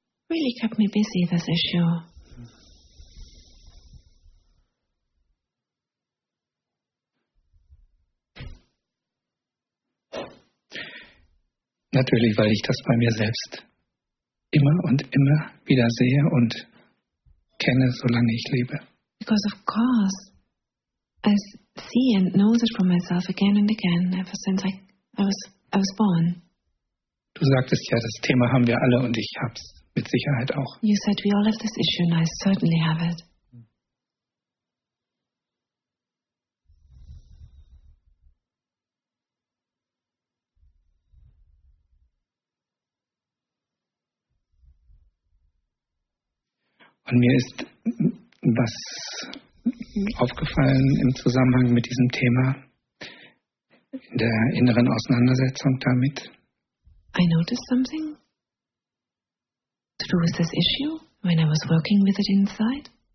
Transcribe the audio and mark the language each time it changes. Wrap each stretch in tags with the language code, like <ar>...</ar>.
<en>Really kept me busy, this issue.</en> <de>Natürlich, weil ich das bei mir selbst immer und immer wieder sehe und kenne, solange ich lebe.</de> <en>Because of course, I see and know this for myself again and again, ever since I was born.</en> <de>Du sagtest ja, das Thema haben wir alle und ich hab's mit Sicherheit auch.</de> <en>You said we all have this issue and I certainly have it.</en> <de>Und mir ist was aufgefallen im Zusammenhang mit diesem Thema, in der inneren Auseinandersetzung damit.</de> <en>I noticed something to do with this issue when I was working with it inside.</en>